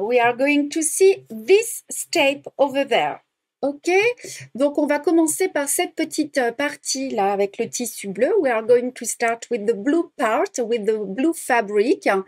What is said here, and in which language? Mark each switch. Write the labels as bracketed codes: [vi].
[en] We are going to see this tape over there. OK? [fr] Donc, on va commencer par cette petite partie-là avec le tissu bleu. [en] We are going to start with the blue part, with the blue fabric.